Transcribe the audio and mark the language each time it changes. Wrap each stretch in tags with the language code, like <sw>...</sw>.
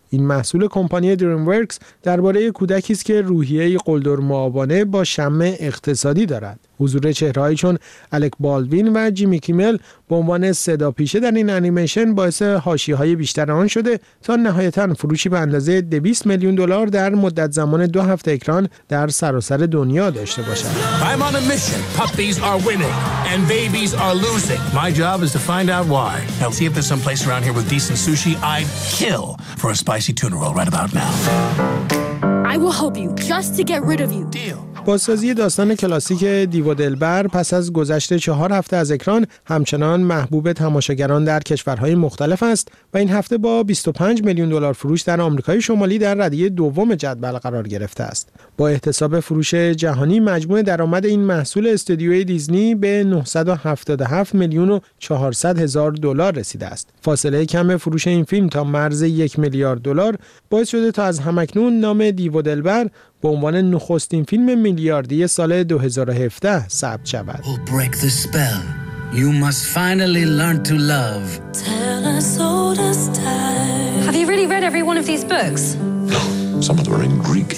<fa>این محصول کمپانی دریم ورکس درباره کودکی است که روحیه‌ای قلدر معابانه با شمع اقتصادی دارد. حضور چهره‌ای چون الک بالدوین و جیمی کیمل به عنوان صداپیشه در این انیمیشن باعث حاشیه‌های بیشتر آن شده تا نهایتاً فروشی به اندازه 200 میلیون دلار در مدت زمان 2 هفته اکران در سراسر دنیا داشته باشد.</fa> <en>I'm on a mission. Puppies are winning and babies are losing. My job is to find out why. Now see if there's some place around here with decent sushi. I'd kill for a spicy tuna roll right about now. I will help you just to get rid of you. Deal.</en> <fa>بازسازی داستان کلاسیک دیو دلبر پس از گذشت 4 هفته از اکران همچنان محبوب تماشاگران در کشورهای مختلف است و این هفته با 25 میلیون دلار فروش در آمریکای شمالی در ردیه دوم جدول قرار گرفته است. با احتساب فروش جهانی مجموع درآمد این محصول استودیوی دیزنی به 977 میلیون و 400 هزار دلار رسیده است. فاصله کم فروش این فیلم تا مرز 1 میلیارد دلار باعث شده تا از همکنون نام دیو دلبر به عنوان نخستین فیلم میلیاردی سال 2017 ثبت شود.</fa> <en>We'll break the spell. You must finally learn to love. Tell us all this time. Have you really read every one of these books? Some of them are in Greek.</en>